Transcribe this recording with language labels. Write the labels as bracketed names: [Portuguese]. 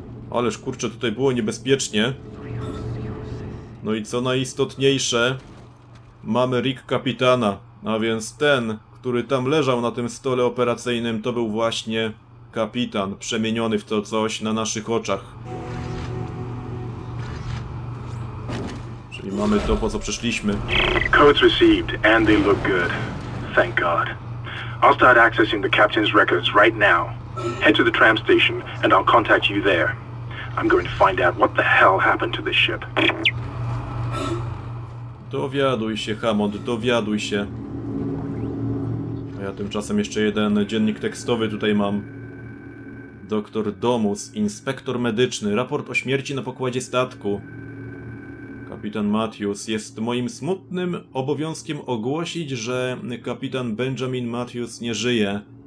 [Polish] Ależ, kurczę, tutaj było niebezpiecznie. No i co najistotniejsze, mamy rig kapitana. A więc ten, który tam leżał na tym stole operacyjnym, to był właśnie kapitan, przemieniony w to coś na naszych oczach. I mamy to, po co przyszliśmy. [English] Codes received, and they look good. Thank God. I'll start accessing the captain's records right now. Head to the tram station, and I'll contact you there. I'm going to find out what the hell happened to this ship. [Polish] Dowiaduj się, Hammond, dowiaduj się. A ja tymczasem jeszcze jeden dziennik tekstowy tutaj mam. Doktor Domus, inspektor medyczny, raport o śmierci na pokładzie statku. Kapitan Matthews, jest moim smutnym obowiązkiem ogłosić, że kapitan Benjamin Matthews nie żyje.